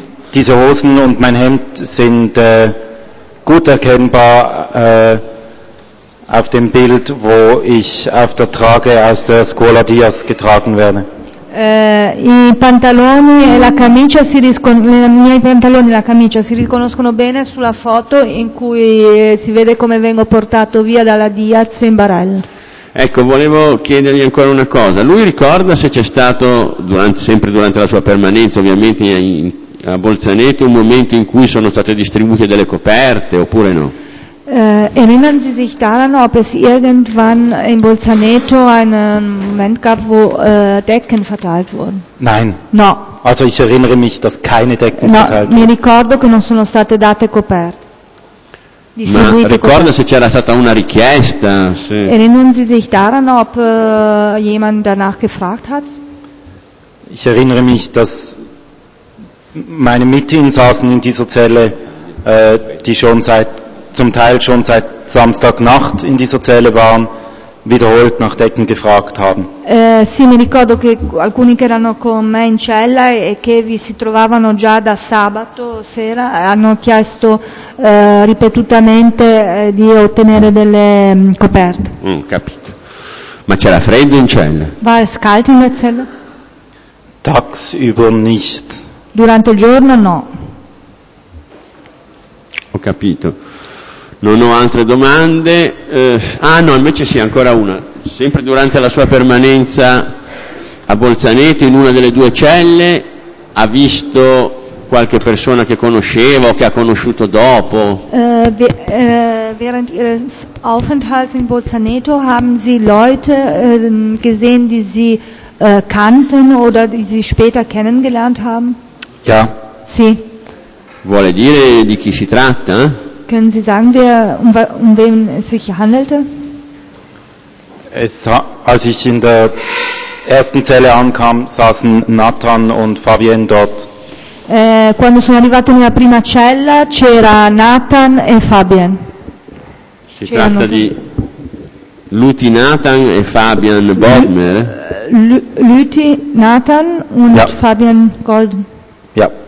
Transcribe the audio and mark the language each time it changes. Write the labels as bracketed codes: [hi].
[de] diese Hosen und mein Hemd sind gut erkennbar auf dem Bild, wo ich auf der Trage aus der Scuola Diaz getragen werde. [it] I pantaloni e la camicia si riconoscono, i pantaloni e la camicia si riconoscono bene sulla foto in cui si vede come vengo portato via dalla Diaz in barella. Ecco, volevo chiedergli ancora una cosa. Lui ricorda se c'è stato, durante, sempre durante la sua permanenza, ovviamente a Bolzaneto, un momento in cui sono state distribuite delle coperte, oppure no? [de] Erinnern Sie sich daran, ob es irgendwann in Bolzaneto einen Moment gab, wo Decken verteilt wurden? Nein. [it] No. [de] Also ich erinnere mich, dass keine Decken [it] no, [de] verteilt wurden. [it] Mi ricordo che non sono state date coperte. Ma ricorda se c'era stata una richiesta? Se... [de] Erinnern Sie sich daran, ob jemand danach gefragt hat? Ich erinnere mich, dass meine Mitinsassen in dieser Zelle, die schon seit zum Teil schon seit Samstagnacht in dieser Zelle waren, wiederholt nach Decken gefragt haben. [it] Sì, mi ricordo che alcuni che erano con me in cella e che vi si trovavano già da sabato sera hanno chiesto ripetutamente di ottenere delle coperte. Capito. Ma c'era freddo in cella? [de] War es kalt in der Zelle? Tagsüber nicht. [it] Durante il giorno no. Ho capito. Non ho altre domande. Invece sì, ancora una. Sempre durante la sua permanenza a Bolzaneto, in una delle due celle, ha visto qualche persona che conosceva o che ha conosciuto dopo? [de] Während ihres Aufenthalts in Bolzaneto haben Sie Leute gesehen, die Sie kannten oder die Sie später kennengelernt haben? Ja. [it] Sì. Vuole dire di chi si tratta? [de] Können Sie sagen, wer, um wen es sich handelte? Als ich in der ersten Zelle ankam, saßen Nathan und Fabienne dort. [it] Quando sono arrivato nella prima cella, c'era Nathan e Fabien. Si tratta di Luti Nathan e Fabien Goldmer? [de] Luti Nathan und ja. Fabien Gold. Ja.